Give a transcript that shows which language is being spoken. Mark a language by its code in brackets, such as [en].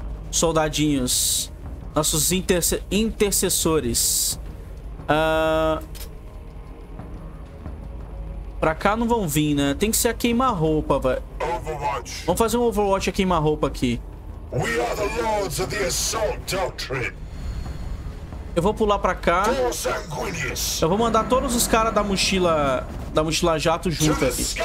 [pt] soldadinhos. Nossos intercessores. Pra cá não vão vir, né? Tem que ser a queima-roupa, velho. Vamos fazer um Overwatch a queima-roupa aqui. [en] We are the lords of the assault doctrine. [pt] Eu vou pular pra cá. Eu vou mandar todos os caras da mochila. Da mochila jato junto aqui.